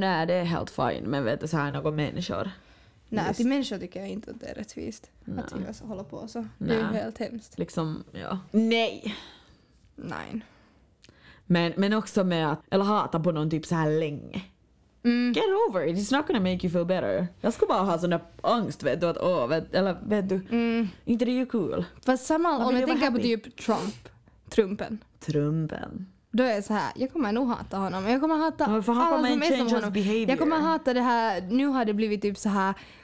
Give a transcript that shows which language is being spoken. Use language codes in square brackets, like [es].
[sv] Nej, det är helt fine, men vet du, så här några människor. Nej, just. Till människor tycker jag inte att det är rättvist. Nej. Att jag håller på så. Nej. Det är ju helt hemskt. Liksom, ja. Nej! Nej. Men också med att, eller hata på någon typ så här länge. Mm. [en] Get over it, it's not gonna make you feel better. [sv] Jag skulle bara ha sån där angst, vet du, att vet du. Mm. Inte det är ju cool. Fast samma, om jag tänker på typ Trumpen. Då är så här, jag kommer nog hata honom. Jag kommer hata alla som är som honom. Behavior. Jag kommer hata det här, nu har det blivit typ så här.